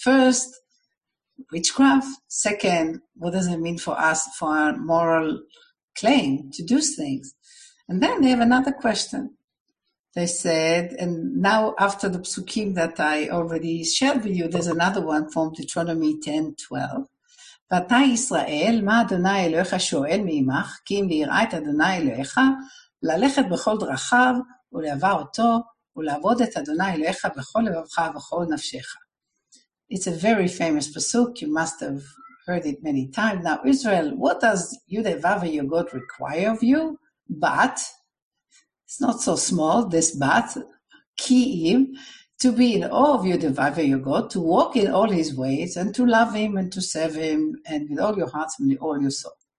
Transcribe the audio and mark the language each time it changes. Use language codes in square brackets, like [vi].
[en] First, witchcraft. Second, what does it mean for us, for our moral claim to do things? And then they have another question. They said, and now after the psukim that I already shared with you, there's another one from Deuteronomy 10:12. [he] ואתה ישראל, מה אדוני אלוהיך שואל מעמך, כי אם ליראה את אדוני אלוהיך, ללכת בכל דרכיו ולעבר אותו, ולעבוד את אדוני אלוהיך בכל לבבך ובכל נפשך. [en] It's a very famous pasuk, you must have heard it many times. Now Israel, what does Yudevava, your God, require of you? But, it's not so small, this but, [he] כי אם, [en] to be in awe of Yudevava, your God, to walk in all his ways, and to love him and to serve him, and with all your heart and all your soul.